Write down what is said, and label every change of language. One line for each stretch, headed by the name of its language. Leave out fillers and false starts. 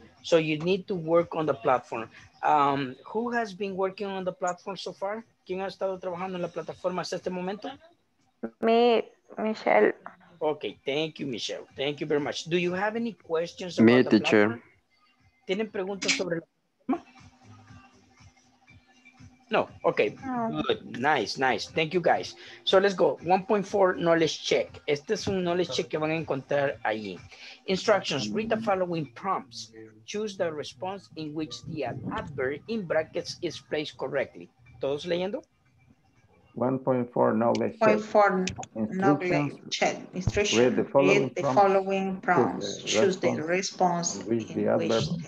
English: So you need to work on the platform. Who has been working on the platform so far?
Spanish: ¿Quién ha estado trabajando en la plataforma hasta este momento? Me, Michelle.
English: Okay, thank you, Michelle. Thank you very much. Do you have any questions about the teacher. Platform?
Spanish: ¿Tienen preguntas sobre la plataforma?
English: No, okay, good, nice. Thank you, guys. So let's go, 1.4 knowledge check.
Spanish: Este es un knowledge check que van a encontrar allí.
English: Instructions, read the following prompts. Choose the response in which the adverb in brackets is placed correctly.
Spanish: ¿Todos leyendo?
English: 1.4 knowledge check. 1.4 knowledge check. Instructions, read the following prompts. Choose the response in which the adverb